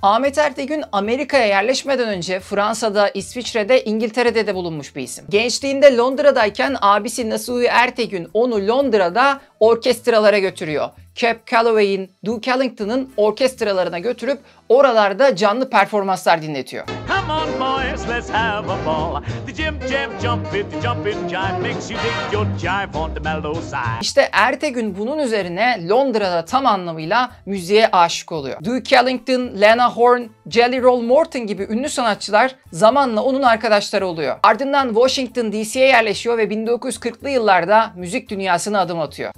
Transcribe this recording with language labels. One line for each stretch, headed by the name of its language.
Turkish: Ahmet Ertegün Amerika'ya yerleşmeden önce Fransa'da, İsviçre'de, İngiltere'de de bulunmuş bir isim. Gençliğinde Londra'dayken abisi Nasuhi Ertegün onu Londra'da orkestralara götürüyor. Cab Calloway'in, Duke Ellington'ın orkestralarına götürüp oralarda canlı performanslar dinletiyor.
English: Come on boys, let's have a ball. The jim jam jump it, the jumping jive makes you dig your jive on the mellow side.
Turkish: İşte Ertegün bunun üzerine Londra'da tam anlamıyla müziğe aşık oluyor. Duke Ellington, Lena Horne, Jelly Roll Morton gibi ünlü sanatçılar zamanla onun arkadaşları oluyor. Ardından Washington DC'ye yerleşiyor ve 1940'lı yıllarda müzik dünyasına adım atıyor.